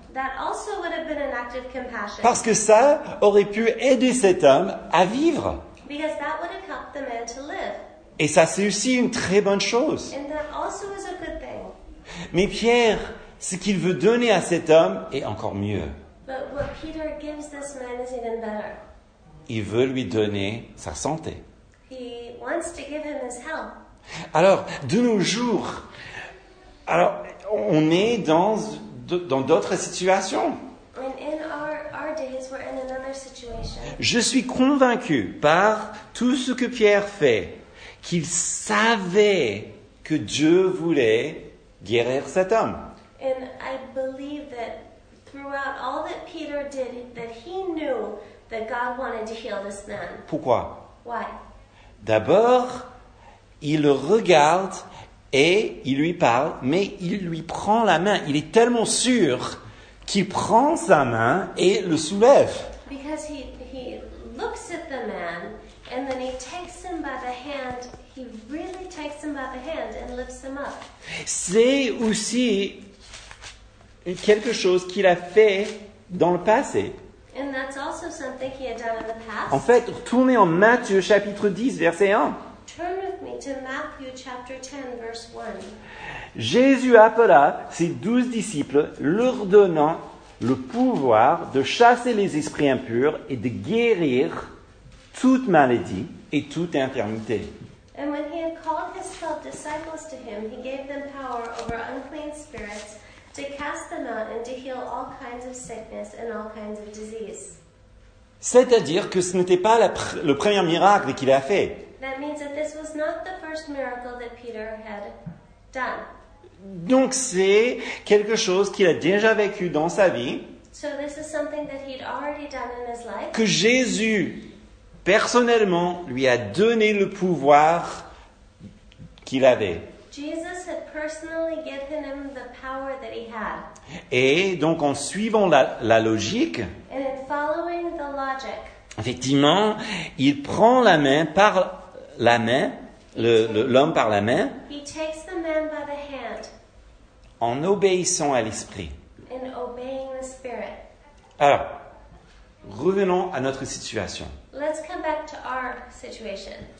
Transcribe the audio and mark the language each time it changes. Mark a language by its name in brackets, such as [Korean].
[English] That also would have been an act of compassion. [French] Parce que ça aurait pu aider cet homme à vivre. [English] Because that would have helped the man to live. [French] Et ça, c'est aussi une très bonne chose. [English] And that also is a good thing. [French] Mais Pierre, ce qu'il veut donner à cet homme est encore mieux. [English] But what Peter gives this man is even better. [French] Il veut lui donner sa santé. [English] He wants to give him his health. [French] Alors, de nos jours, on est dans d'autres situations. [English] And in our days, we're in another situation. [French] Je suis convaincu par tout ce que Pierre fait, qu'il savait que Dieu voulait guérir cet homme. [English] And I believe that throughout all that Peter did, that he knew that God wanted to heal this man. [French] Pourquoi? [English] Why? [French] D'abord, il le regarde et il lui parle, mais il lui prend la main. Il est tellement sûr qu'il prend sa main et le soulève. [English] Because he looks at the man and then he takes him by the hand. He really takes him by the hand and lifts him up. [French] C'est aussi quelque chose qu'il a fait dans le passé. [English] And that's also something he had done in the past. [French] En fait, tournez en Matthieu chapitre 10, verset 1. [English] Turn with me to Matthew chapter 10, verse 1. [French] Jésus appela ses 12 disciples, leur donnant le pouvoir de chasser les esprits impurs et de guérir toute maladie et toute infirmité. [English] And when he had called his 12 disciples to him, he gave them power over unclean spirits to cast them out and to heal all kinds of sickness and all kinds of disease. [French] C'est-à-dire que ce n'était pas le premier miracle qu'il a fait. [English] That means that this was not the first miracle that Peter had done. [French] Donc c'est quelque chose qu'il a déjà vécu dans sa vie. [English] So this is something that he'd already done in his life. [French] Que Jésus personnellement lui a donné le pouvoir qu'il avait. [English] Jesus had personally given him the power that he had. [French] Et donc, en suivant la logique, [English] and in following the logic, [French] effectivement, il prend la main par la main, l'homme par la main, [English] he takes the man by the hand, [French] en obéissant à l'Esprit. [English] In obeying the Spirit. [French] Alors, revenons à notre situation. [English] Let's come back to our situation.